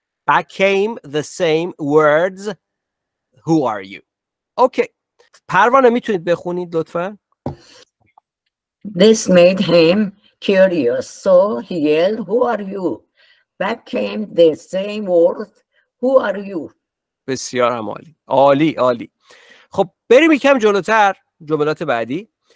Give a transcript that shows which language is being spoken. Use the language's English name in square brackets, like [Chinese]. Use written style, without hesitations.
[English] Back came the same words, "Who are you?" Okay. [Persian] پروانه میتونید بخونید لطفا؟ [English] This made him curious, so he yelled, "Who are you?" Back came the same words, "Who are you?" [Persian] بسیار عالی. خب بریم یکم جلوتر، جملات بعدی.